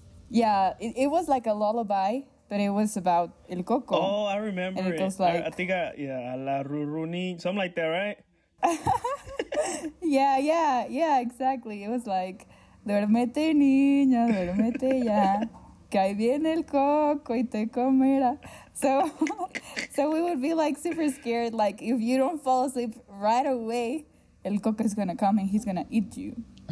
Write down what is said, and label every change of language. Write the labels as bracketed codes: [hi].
[en] Yeah, it was like a lullaby, but it was about El Coco. Oh, I remember it. Goes like, I think La Ruruni, something like that, right? yeah, exactly. It was like, [es] duérmete, niña, duérmete ya, que ahí viene el coco y te comerá. [en] So we would be, like, super scared. Like, if you don't fall asleep right away, el coco is going to come and he's going to eat you.